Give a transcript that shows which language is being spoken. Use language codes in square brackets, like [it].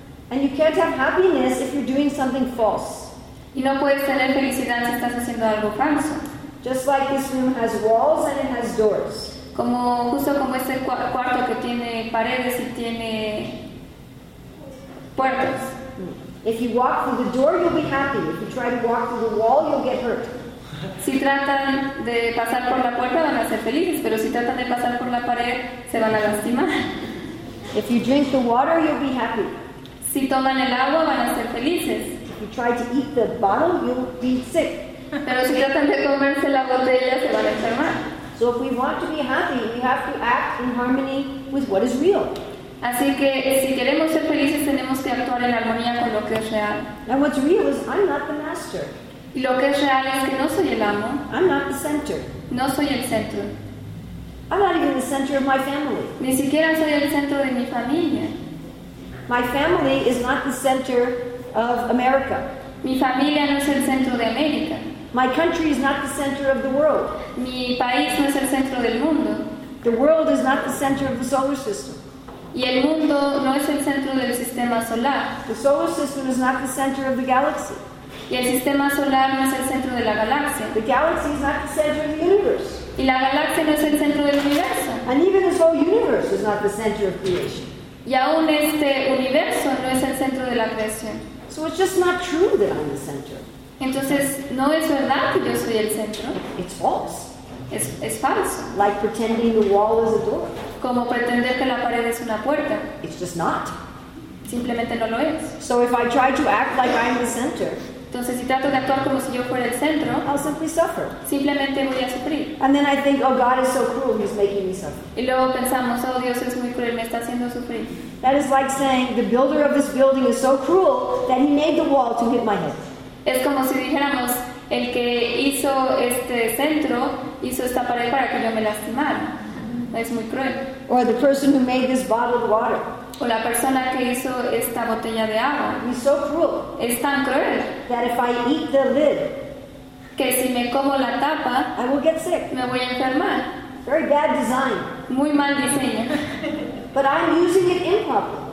[en] And you can't have happiness if you're doing something false. [es] Y no puedes tener felicidad si estás haciendo algo falso. [en] Just like this room has walls and it has doors. [es] Como justo como este cuarto que tiene paredes y tiene puertas. [en] If you walk through the door, you'll be happy. If you try to walk through the wall, you'll get hurt. [es] Si tratan de pasar por la puerta, van a ser felices, pero si tratan de pasar por la pared, se van a lastimar. [en] If you drink the water, you'll be happy. [es] Si toman el agua, van a ser felices. [en] If you try to eat the bottle, you'll be sick. [es] Pero si tratan de comerse la botella, se van a enfermar. [en] So if we want to be happy, we have to act in harmony with what is real. [es] Así que si queremos ser felices, tenemos que actuar en armonía con lo que es real. [en] And what's real is I'm not the master. [es] Y lo que es real es que no soy el amo. [en] I'm not the center. [es] No soy el centro. [en] I'm not even the center of my family. [es] Ni siquiera soy el centro de mi familia. [en] My family is not the center of America. [es] Mi familia no es el centro de América. [en] My country is not the center of the world. [es] Mi país no es el centro del mundo. [en] The world is not the center of the solar system. [es] Y el mundo no es el centro del sistema solar. [en] The solar system is not the center of the galaxy. [es] Y el sistema solar no es el centro de la galaxia. [en] The galaxy is not the center of the universe. [es] Y la galaxia no es el centro del universo. [en] And even this whole universe is not the center of creation. [es] Y aún este universo no es el centro de la creación. [en] So it's just not true that I'm the center. [es] Entonces, no es verdad que yo soy el centro. [en] It's false. [es] Es falso. [en] Like pretending the wall is a door. [es] Como pretender que la pared es una puerta. [en] It's just not. [es] Simplemente no lo es. [en] So if I try to act like I'm the center, [es] entonces, si trato de actuar como si yo fuera el centro, [en] I'll simply suffer. [es] Simplemente voy a sufrir. [en] And then I think, oh, God is so cruel, he's making me suffer. [es] Y luego pensamos, oh, Dios es muy cruel, me está haciendo sufrir. [en] That is like saying, the builder of this building is so cruel that he made the wall to hit my head. [es] Es como si dijéramos, el que hizo este centro hizo esta pared para que yo me lastimara. Es muy cruel. [en] Or the person who made this bottle of water. [es] O la persona que hizo esta botella de agua. [en] He's so cruel. [es] Es tan cruel. [en] That if I eat the lid, [es] que si me como la tapa, [en] I will get sick. [es] Me voy a enfermar. [en] Very bad design. [es] Muy mal diseño. [en] But I'm using it improperly.